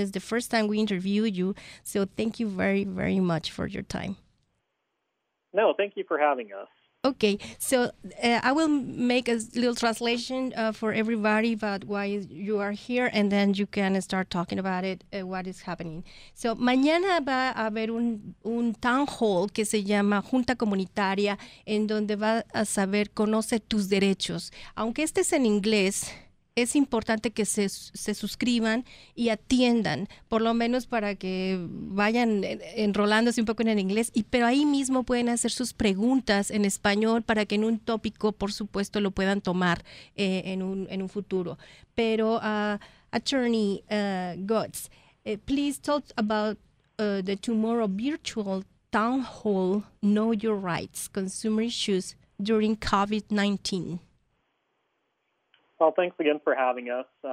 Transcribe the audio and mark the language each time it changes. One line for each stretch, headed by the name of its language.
English: It's the first time we interviewed you, so thank you very, very much for your time. No, thank you for having us. Okay, so I will make a little translation for everybody about why you are here, and then you can start talking about it, what is happening.
Spanish: So mañana va a haber un town hall que se llama Junta Comunitaria, en donde va a saber conoce tus derechos. Aunque este es en inglés, es importante que se suscriban y atiendan, por lo menos para que vayan enrolándose un poco en el inglés, pero ahí mismo pueden hacer sus preguntas en español para que en un tópico, por supuesto, lo puedan tomar en un futuro.
English: Pero, attorney Goetz, please talk about the tomorrow virtual town hall, Know Your Rights, Consumer Issues During COVID-19. Well, thanks again for having us.